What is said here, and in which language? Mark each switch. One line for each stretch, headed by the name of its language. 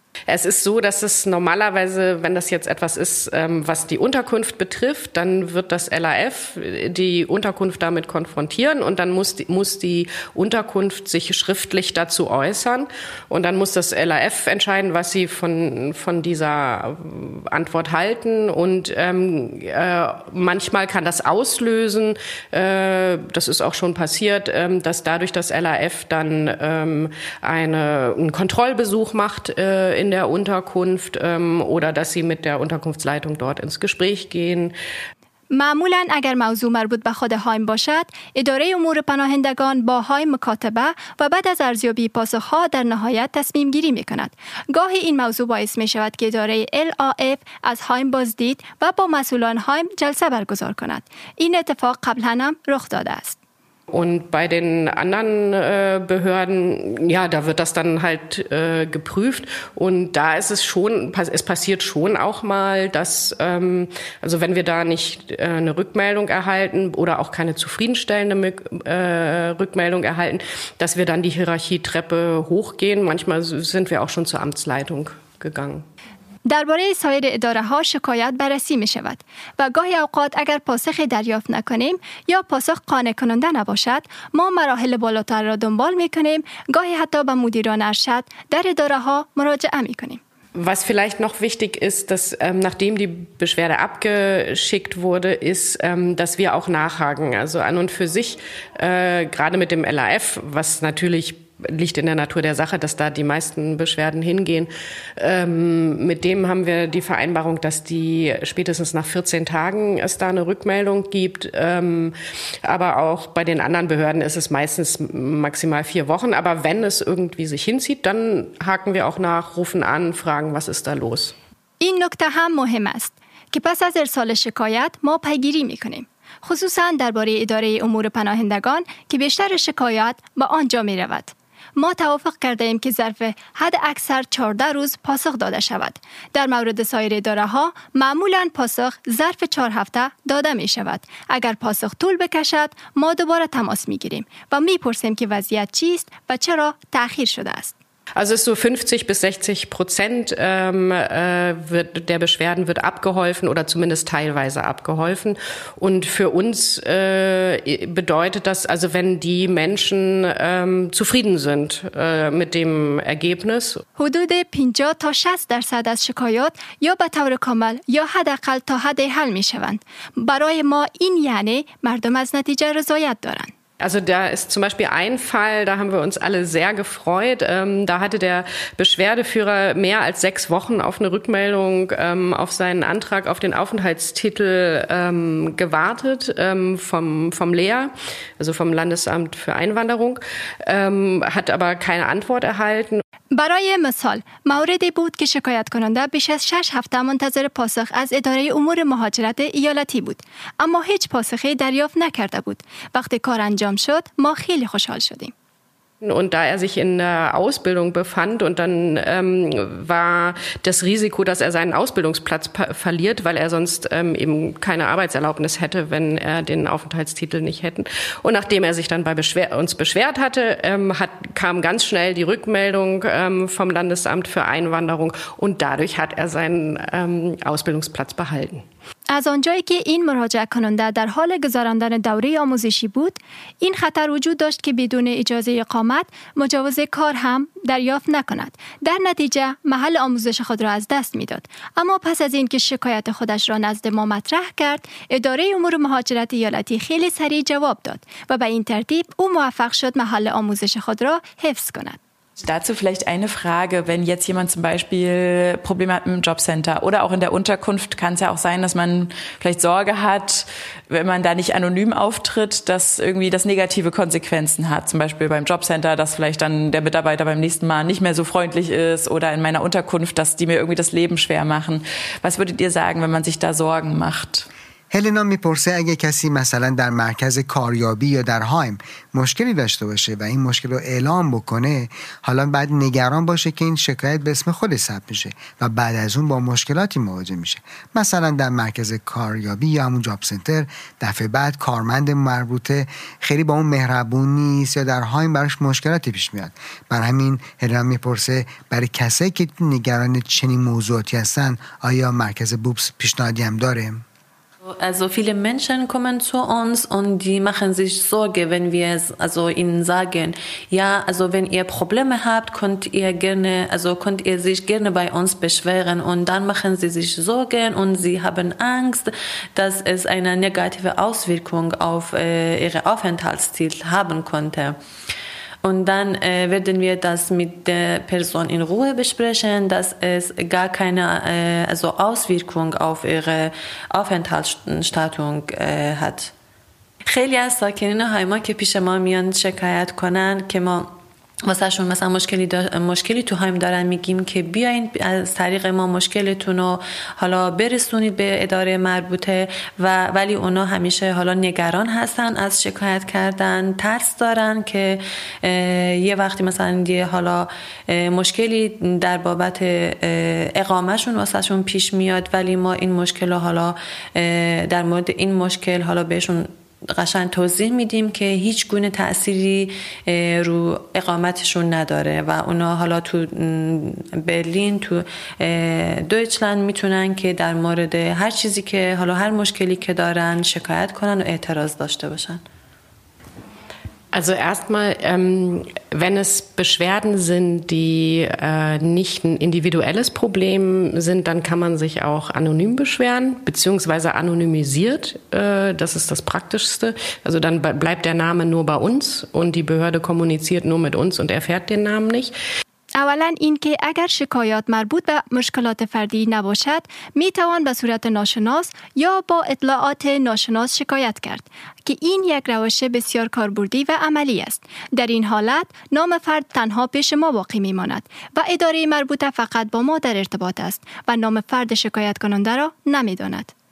German: Es ist so, dass es normalerweise, wenn das jetzt etwas ist, was die Unterkunft betrifft, dann wird das LAF die Unterkunft damit konfrontieren und dann muss die Unterkunft sich schriftlich dazu äußern und dann muss das LAF entscheiden, was sie von dieser Antwort halten und manchmal kann das auslösen, das ist auch schon passiert, dass dadurch das LAF dann einen Kontrollbesuch macht in der Unterkunft oder dass sie mit der Unterkunftsleitung dort ins Gespräch gehen.
Persian: معمولاً اگر موضوع مربوط به خود هایم باشد، اداره امور پناهندگان با هایم مکاتبه و بعد از ارزیابی پاسخ ها در نهایت تصمیم گیری می کند. گاهی این موضوع باعث می شود که اداره LAF از هایم بازدید و با مسئولان هایم جلسه برگزار کند. این اتفاق قبلاً هم رخ داده است.
German: Und bei den anderen Behörden, ja, da wird das dann halt geprüft. Und da ist es schon, es passiert schon auch mal, dass, also wenn wir da nicht eine Rückmeldung erhalten oder auch keine zufriedenstellende Rückmeldung erhalten, dass wir dann die Hierarchietreppe hochgehen. Manchmal sind wir auch schon zur Amtsleitung gegangen.
Persian: درباره سایر اداره ها شکایت بررسی می شود و گاهی اوقات اگر پاسخ دریافت نکنیم یا پاسخ قانع کننده نباشد ما مراحل بالاتر را دنبال می کنیم گاهی حتی به مدیران ارشد در اداره ها مراجعه می کنیم.
German: Was vielleicht noch wichtig ist, dass nachdem die Beschwerde abgeschickt wurde, ist, dass wir auch nachhaken. Also an und für sich, gerade mit dem LAF, was natürlich liegt in der Natur der Sache, dass da die meisten Beschwerden hingehen. Mit dem haben wir die Vereinbarung, dass die spätestens nach 14 Tagen es da eine Rückmeldung gibt. Aber auch bei den anderen Behörden ist es meistens maximal 4 Wochen. Aber wenn es irgendwie sich hinzieht, dann haken wir auch nach, rufen an, fragen, was ist da los.
Persian: این نکته هم مهم است که پس از ارسال شکایت ما پیگیری میکنیم، خصوصا درباره اداره امور پناهندگان که بیشتر شکایات با آنجا میرود. ما توافق کرده ایم که ظرف حد اکثر 14 روز پاسخ داده شود. در مورد سایر اداره ها معمولا پاسخ ظرف 4 هفته داده می شود. اگر پاسخ طول بکشد ما دوباره تماس می گیریم و می پرسیم که وضعیت چیست و چرا تأخیر شده است.
German: Also es ist so 50-60% wird der Beschwerden wird abgeholfen oder zumindest teilweise abgeholfen. Und für uns bedeutet das, also wenn die Menschen zufrieden sind mit dem Ergebnis.
Persian: حدود 50-60% از شکایات یا به طور کامل یا حداقل تا حد حل می شوند. برای ما این یعنی مردم از نتیجه رضایت دارند.
German: Also da ist zum Beispiel ein Fall, da haben wir uns alle sehr gefreut. Da hatte der Beschwerdeführer mehr als 6 Wochen auf eine Rückmeldung auf seinen Antrag auf den Aufenthaltstitel gewartet vom LEA, also vom Landesamt für Einwanderung, hat aber keine Antwort erhalten.
Persian: برای مثال موردی بود که شکایت کننده بیش از 6 هفته منتظر پاسخ از اداره امور مهاجرت ایالتی بود، اما هیچ پاسخی دریافت نکرده بود. وقتی کار انجام شد ما خیلی خوشحال شدیم.
German: Und da er sich in der Ausbildung befand und dann war das Risiko, dass er seinen Ausbildungsplatz verliert, weil er sonst eben keine Arbeitserlaubnis hätte, wenn er den Aufenthaltstitel nicht hätte. Und nachdem er sich dann bei uns beschwert hatte, kam ganz schnell die Rückmeldung vom Landesamt für Einwanderung und dadurch hat er seinen Ausbildungsplatz behalten.
Persian: از آنجایی که این مراجعه کننده در حال گذراندن دوره آموزشی بود، این خطر وجود داشت که بدون اجازه اقامت مجوز کار هم دریافت نکند. در نتیجه محل آموزش خود را از دست می‌داد. اما پس از این که شکایت خودش را نزد ما مطرح کرد، اداره امور مهاجرت ایالتی خیلی سریع جواب داد و به این ترتیب او موفق شد محل آموزش خود را حفظ کند.
German: Dazu vielleicht eine Frage, wenn jetzt jemand zum Beispiel Probleme hat im Jobcenter oder auch in der Unterkunft, kann es ja auch sein, dass man vielleicht Sorge hat, wenn man da nicht anonym auftritt, dass irgendwie das negative Konsequenzen hat, zum Beispiel beim Jobcenter, dass vielleicht dann der Mitarbeiter beim nächsten Mal nicht mehr so freundlich ist oder in meiner Unterkunft, dass die mir irgendwie das Leben schwer machen. Was würdet ihr sagen, wenn man sich da Sorgen macht?
Persian: هلنا میپرسه اگه کسی مثلا در مرکز کاریابی یا در هایم مشکلی داشته باشه و این مشکل رو اعلام بکنه، حالا بعد نگران باشه که این شکایت به اسم خود ثبت میشه و بعد از اون با مشکلاتی مواجه میشه، مثلا در مرکز کاریابی یا همون جاب سنتر دفعه بعد کارمند مربوطه خیلی با اون مهربون نیست یا در هایم براش مشکلاتی پیش میاد. بر همین هلنا میپرسه برای کسایی که نگران چنین موضوعاتی هستن آیا مرکز بوبس پیشنهادی هم داره؟
German: Also viele Menschen kommen zu uns und die machen sich Sorge, wenn wir also ihnen sagen, ja, also wenn ihr Probleme habt, könnt ihr sich gerne bei uns beschweren, und dann machen sie sich Sorgen und sie haben Angst, dass es eine negative Auswirkung auf ihre Aufenthaltsziel haben könnte. Und dann werden wir das mit der Person in Ruhe besprechen, dass es gar keine Auswirkung auf ihre Aufenthaltsstatus hat.
Persian: خیلی از ساکنین هایما که پیش ما میان شکایت کنن که ما واسهشون مثلا مشکلی تو هایم دارن، میگیم که بیاین از طریق ما مشکلتون رو حالا برسونید به اداره مربوطه، و ولی اونا همیشه حالا نگران هستن از شکایت کردن، ترس دارن که یه وقتی مثلا یه حالا مشکلی در بابت اقامتشون واسهشون پیش میاد، ولی ما این مشکل رو حالا در مورد این مشکل حالا بهشون قشنگ توضیح میدیم که هیچ گونه تأثیری رو اقامتشون نداره و اونا حالا تو برلین تو دویچلند میتونن که در مورد هر چیزی که حالا هر مشکلی که دارن شکایت کنن و اعتراض داشته باشن.
German: Also erstmal, wenn es Beschwerden sind, die nicht ein individuelles Problem sind, dann kann man sich auch anonym beschweren, beziehungsweise anonymisiert. Das ist das Praktischste. Also dann bleibt der Name nur bei uns und die Behörde kommuniziert nur mit uns und erfährt den Namen nicht.
Persian: اولا این که اگر شکایات مربوط به مشکلات فردی نباشد می توان به صورت ناشناس یا با اطلاعات ناشناس شکایت کرد که این یک روش بسیار کاربردی و عملی است. در این حالت نام فرد تنها پیش ما باقی می ماند و اداره مربوطه فقط با ما در ارتباط است و نام فرد شکایت کننده را نمی داند.